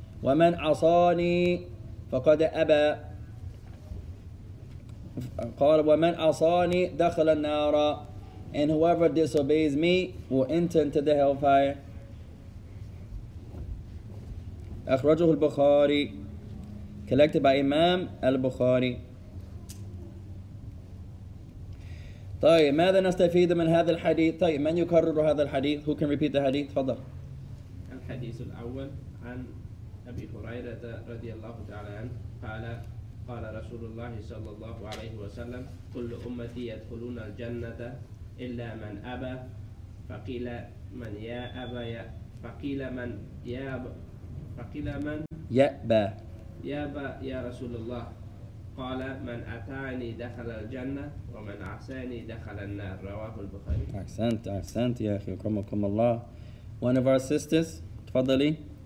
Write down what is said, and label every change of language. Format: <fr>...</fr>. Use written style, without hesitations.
<ar>وَمَنْ عَصَانِي فَقَدْ أَبَى قَالَ وَمَنْ عَصَانِي دَخْلَ النَّارَ</ar> <en>And whoever disobeys me will enter into the hellfire.</en> <ar>أَخْرَجُهُ الْبُخَارِي</ar> <en>Collected by Imam al-Bukhari.</en> <ar>طيب ماذا نستفيد من هذا الحديث؟ طيب من يكرر هذا الحديث؟</ar> <en>Who can repeat the hadith?</en> <ar>تفضل. الحديث الأول عن أبي هريرة رضي الله تعالى عنه قال قال رسول الله صلى الله عليه وسلم كل أمتي يدخلون الجنة إلا من أبى فقيل من يا أبى يا فقيل من يا فقيل من يأبى يا با يا رسول الله قال من أتاني دخل الجنة ومن عصاني دخل النار رواه البخاري. أحسنت أحسنت يا أخي كرمكم الله.</ar> <en>One of our sisters, تفضلي.</en>